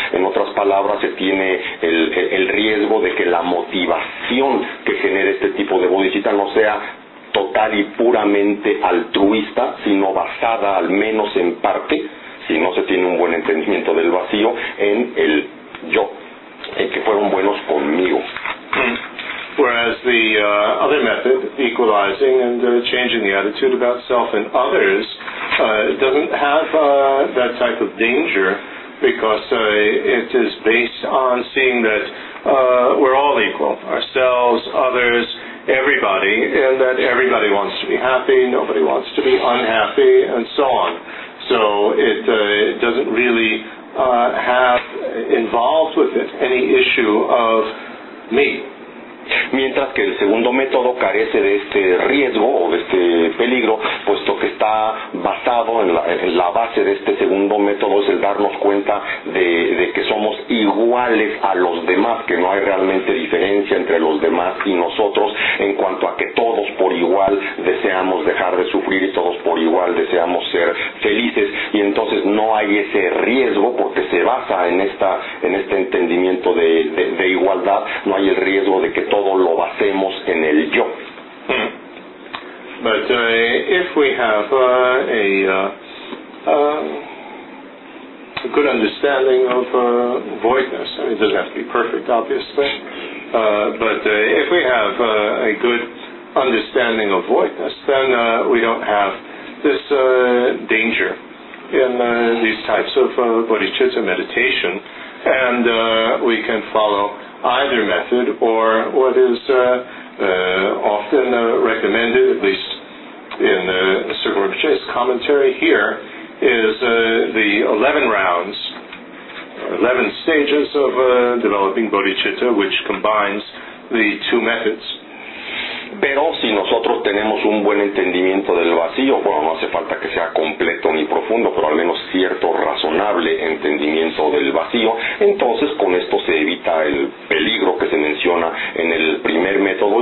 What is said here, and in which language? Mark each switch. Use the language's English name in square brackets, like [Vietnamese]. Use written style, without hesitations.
[Spanish] En otras palabras, se tiene el riesgo de que la motivación que genere este tipo de bodhicitta no sea total y puramente altruista, sino basada al menos en parte, si no se tiene un buen entendimiento del vacío, en el yo, en que fueron buenos conmigo. [English] Whereas the other method, equalizing and changing the attitude about self and others, doesn't have that type of danger, because it is based on seeing that we're all equal, ourselves, others, everybody, and that everybody wants to be happy, nobody wants to be unhappy, and so on. So it doesn't really have involved with it any issue of me. [Spanish] Mientras que el segundo método carece de este riesgo o de este peligro, puesto que está basado en la base de este segundo método es el darnos cuenta de que somos iguales a los demás, que no hay realmente diferencia entre los demás y nosotros en cuanto a que todos por igual deseamos dejar de sufrir y todos por igual deseamos ser felices, y entonces no hay ese riesgo porque se basa en este entendimiento de igualdad, no hay el riesgo de que todo lo basemos en el yo. [English] But if we have a good understanding of voidness, I mean, it doesn't have to be perfect, obviously, but if we have a good understanding of voidness, then we don't have this danger in these types of bodhicitta meditation, and we can follow either method or what is often recommended, at least in the Sri Rinpoche's commentary here, is the 11 rounds, 11 stages of developing bodhicitta, which combines the two methods. [Spanish] Pero si nosotros tenemos un buen entendimiento del vacío, bueno, no hace falta que sea completo ni profundo, pero al menos cierto, razonable entendimiento del vacío, entonces con esto se evita el peligro que se menciona en el primer método.